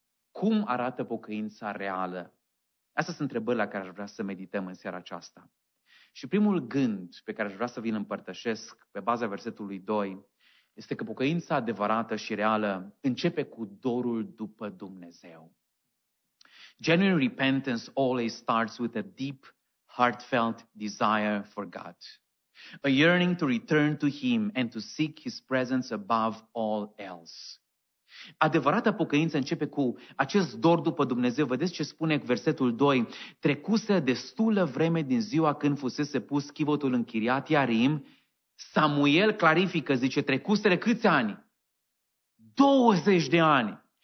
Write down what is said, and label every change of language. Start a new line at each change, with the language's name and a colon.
Romanian: Cum arată pocăința reală? Astea sunt întrebările la care aș vrea să medităm în seara aceasta. Și primul gând pe care aș vrea să vi-l împărtășesc pe baza versetului 2 este că pocăința adevărată și reală începe cu dorul după Dumnezeu.
English: Genuine repentance always starts with a deep, heartfelt desire for God. A yearning to return to Him and to seek His presence above all else.
Romanian: Adevărata pocăință începe cu acest dor după Dumnezeu. Vedeți ce spune versetul 2. Trecuse destulă vreme din ziua când fusese pus chivotul în Kiriat-Iarim. Samuel clarifică, zice, trecusele câți ani? 20 de ani.